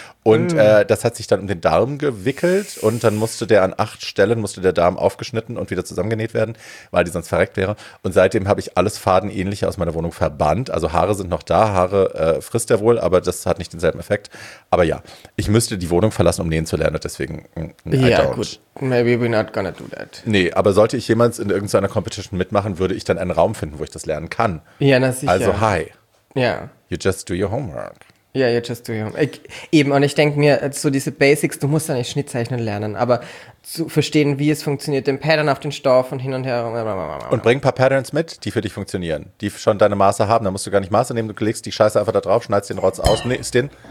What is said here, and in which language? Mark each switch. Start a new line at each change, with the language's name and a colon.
German: und das hat sich dann um den Darm gewickelt und dann musste der Darm aufgeschnitten und wieder zusammengenäht werden, weil die sonst verreckt wäre und seitdem habe ich alles Fadenähnliche aus meiner Wohnung verbannt, also Haare sind noch da, Haare frisst er wohl, aber das hat nicht denselben Effekt, aber ja, ich müsste die Wohnung verlassen, um nähen zu lernen und deswegen gut,
English: maybe we're not gonna do that.
German: Nee, aber sollte ich jemals in irgendeiner Competition mitmachen, würde ich dann einen Raum finden, wo ich das lernen kann. Ja, na sicher. Also, hi. Ja.
English: You just do your homework.
German: Ja,
English: you just do your homework.
German: Eben, und ich denke mir, so diese Basics, du musst ja nicht Schnittzeichnen lernen, aber zu verstehen, wie es funktioniert, den Pattern auf den Stoff und hin und her. Und bring ein paar Patterns mit, die für dich funktionieren, die schon deine Maße haben. Da musst du gar nicht Maße nehmen, du legst die Scheiße einfach da drauf, schneidest den Rotz aus, nähst den.